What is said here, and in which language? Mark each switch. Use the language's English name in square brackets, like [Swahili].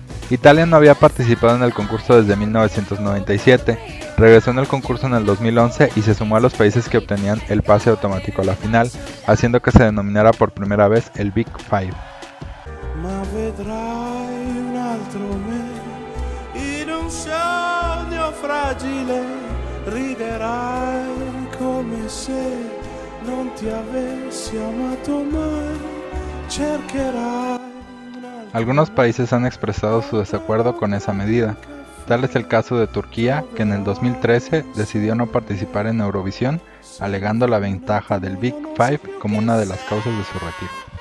[Spanish] Italia no había participado en el concurso desde 1997, regresó en el concurso en el 2011 y se sumó a los países que obtenían el pase automático a la final, haciendo que se denominara por primera vez el Big Five. [Italian] Ma vedrai un altro me, in un sogno fragile, riderai come se non ti avessi amato mai, cercherai. [Spanish] Algunos países han expresado su desacuerdo con esa medida. Tal es el caso de Turquía, que en el 2013 decidió no participar en Eurovisión, alegando la ventaja del Big Five como una de las causas de su retiro.